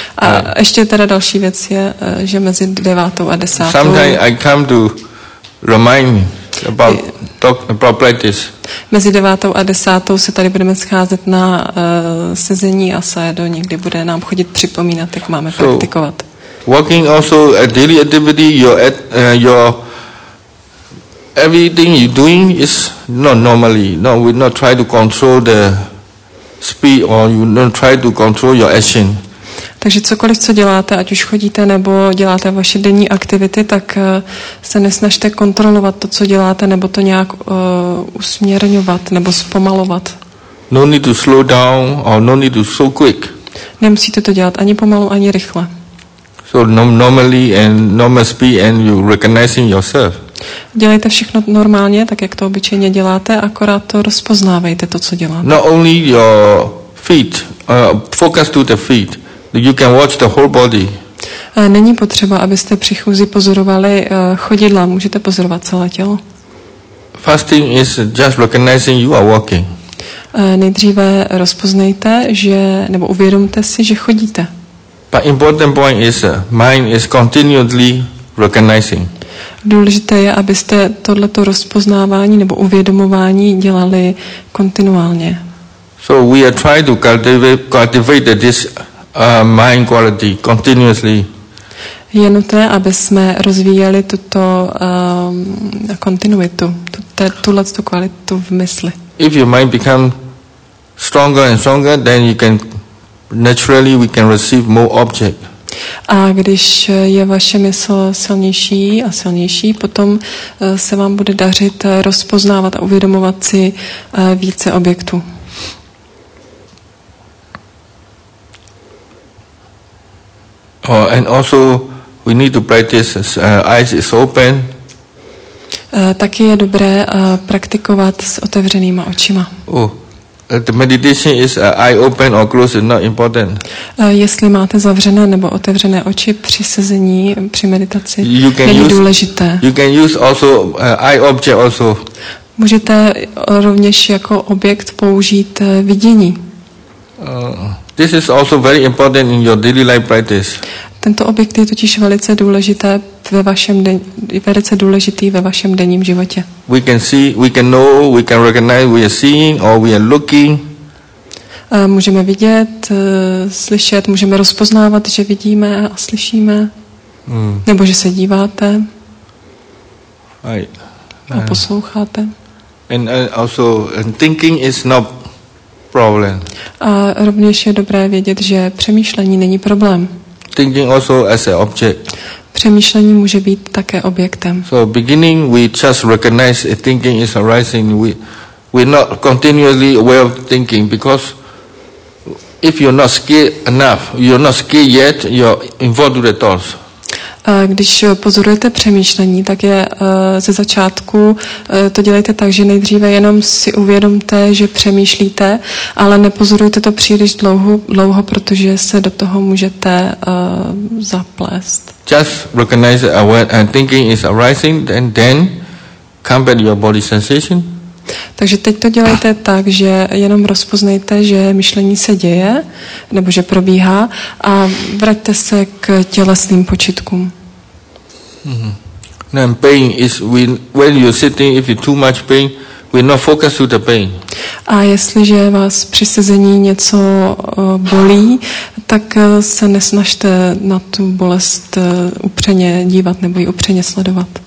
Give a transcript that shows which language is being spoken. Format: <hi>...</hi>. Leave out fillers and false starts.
<cs>A ještě teda další věc je, že mezi 9 a 10.</cs> <en>Sometimes I come to remind about practice.</en> <cs>Mezi 9 a 10 se tady budeme scházet na sezení a sajedo, někdy bude nám chodit připomínat, jak máme praktikovat.</cs> <en>Walking also a daily activity, your everything you doing is not normally. No, we not try to control the speed or you not try to control your action.</en> <cs>Takže cokoliv, co děláte, ať už chodíte nebo děláte vaše denní aktivity, tak se nesnažte kontrolovat to, co děláte, nebo to nějak usměrňovat nebo zpomalovat.</cs> <en>No need to slow down or no need to so quick.</en> <cs>Nemusíte to dělat ani pomalu, ani rychle.</cs> <en>So normally and normal speed and you recognizing yourself.</en> <cs>Dělejte všechno normálně, tak jak to obyčejně děláte, akorát to rozpoznávejte, to, co děláte.</cs> <en>Not only your feet, focus to the feet. You can watch the whole body.</en> <cs>Není potřeba, abyste při chůzi pozorovali chodidla, můžete pozorovat celé tělo.</cs> <en>Fasting is just recognizing you are walking.</en> <cs>Nejdříve rozpoznejte, že nebo uvědomte si, že chodíte.</cs> <en>But important point is mind is continually recognizing.</en> <cs>Důležité je, abyste tohleto rozpoznávání nebo uvědomování dělali kontinuálně.</cs> <en>So we are trying to cultivate this mind quality continuously.</en> <cs>Je nutné, aby jsme rozvíjeli tuto kontinuitu, tuto kvalitu v mysli.</cs> <en>If your mind become stronger and stronger, then you can naturally we can receive more object.</en> <cs>A když je vaše mysl silnější a silnější, potom se vám bude dařit rozpoznávat a uvědomovat si více objektů.</cs> <en>Oh, and also we need to practice eyes is open.</en> <cs>Taky je dobré praktikovat s otevřenýma očima.</cs> <en>The meditation is eye open or close is not important.</en> <cs>Jestli máte zavřené nebo otevřené oči při sezení, při meditaci, není důležité.</cs> <en>You can use also eye object also.</en> <cs>Můžete rovněž jako objekt použít vidění.</cs> <en>This is also very important in your daily life practice.</en> <cs>Tento objekt je totiž velice důležité ve vašem velice důležitý ve vašem denním životě.</cs> <en>We can see, we can know, we can recognize, we are seeing or we are looking.</en> <cs>Můžeme vidět, slyšet, můžeme rozpoznávat, že vidíme a slyšíme. Nebo že se díváte.</cs> <en>Right.</en> <cs>A posloucháte.</cs> <en>And thinking is not problem.</en> <cs>A rovněž je dobré vědět, že přemýšlení není problém.</cs> <en>Thinking also as an object.</en> <cs>Přemýšlení může být také objektem.</cs> <en>So beginning we just recognize if thinking is arising, we're not continually aware of thinking because if you're not scared enough, you're not scared yet, you're involved with the thoughts.</en> <cs>Když pozorujete přemýšlení, tak je ze začátku to dělejte tak, že nejdříve jenom si uvědomte, že přemýšlíte, ale nepozorujte to příliš dlouho, protože se do toho můžete zaplést.</cs> <en>Just recognize that and thinking is arising and then come back to your body sensation.</en> <cs>Takže teď to dělejte tak, že jenom rozpoznejte, že myšlení se děje, nebo že probíhá, a vraťte se k tělesným počitkům. Mm-hmm.</cs> <en>Pain is when you're sitting, if you're too much pain, we're not focused on the pain.</en> <cs>A jestliže vás při sezení něco bolí, tak se nesnažte na tu bolest upřeně dívat nebo ji upřeně sledovat.</cs>